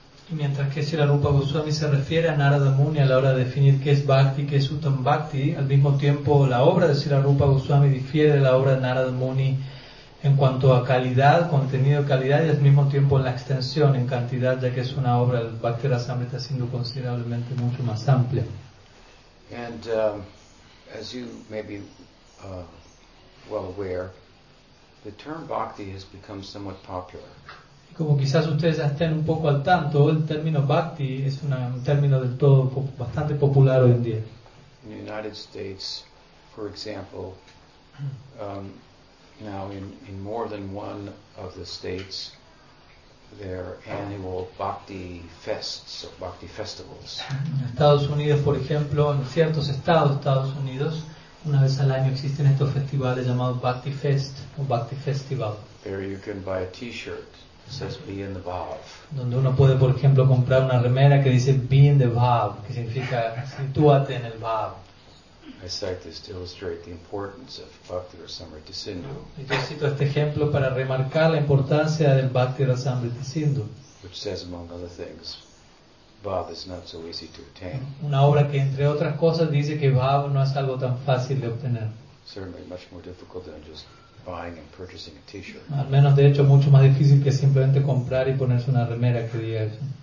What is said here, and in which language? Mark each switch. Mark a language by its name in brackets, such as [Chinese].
[Spanish] Mientras que Sri Rupa Goswami se refiere a Narada Muni a la hora de definir qué es Bhakti, qué es Uttam Bhakti, al mismo tiempo la obra de Sri Rupa Goswami difiere de la obra de Narada Muni en cuanto a calidad, contenido de calidad y al mismo tiempo en la extensión, en cantidad, ya que es una obra del Bhakti Rasamrita siendo considerablemente mucho más amplia. [English] And, as you may be well aware, the term bhakti has become somewhat popular. [Spanish] Como quizás ustedes estén un poco al tanto, el término bhakti es un término del todo bastante popular hoy en día. [English] In the United States, for example, now in more than one of the states, there are annual bhakti fests or bhakti festivals. [Spanish] En Estados Unidos, por ejemplo, en ciertos estados de Estados Unidos, una vez al año existen estos festivales llamados bhakti fest o bhakti festival. [English] There you can buy a T-shirt that says "Be in the Bhav." [Spanish] Donde uno puede, por ejemplo, comprar una remera que dice [English] "Be in the Bhav," [Spanish] que significa "Sitúate en el Bhav." [English] I cite this to illustrate the importance of Bhakti-rasamrita-sindhu. [Spanish] Yo cito este ejemplo para remarcar la importancia del Bhakti-rasamrita-sindhu. [English] Which says, among other things, Bhava is not so easy to attain. [Spanish] Una obra que entre otras cosas dice que Bhava no es algo tan fácil de obtener. [English] Certainly much more difficult than just buying and purchasing a t-shirt. [Spanish] Al menos de hecho mucho más difícil que simplemente comprar y ponerse una remera que diga eso.